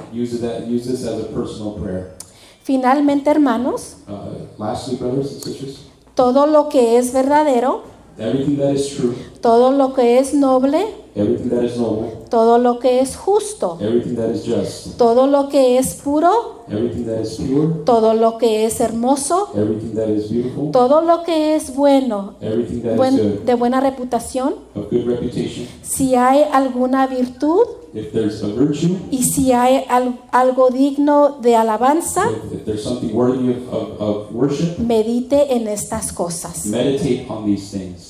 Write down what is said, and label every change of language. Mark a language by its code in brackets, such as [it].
[en] Use this as a personal prayer. [es] Finalmente, hermanos, [en] lastly, brothers and sisters, [es] todo lo que es verdadero, [en] everything that is true, [es] todo lo que es noble, [en] everything that is noble, [es] todo lo que es justo, [en] everything that is just, [es] todo lo que es puro, [en] everything that is pure, [es] todo lo que es hermoso, [en] everything that is beautiful, [es] todo lo que es bueno, [en] everything that is good, [es] de buena reputación, [en] of good reputation, [es] si hay alguna virtud, [en] if there's a virtue, [es] y si hay algo digno de alabanza, [en] if there's something worthy of worship, [es] medite en estas cosas. [en] Meditate on these things.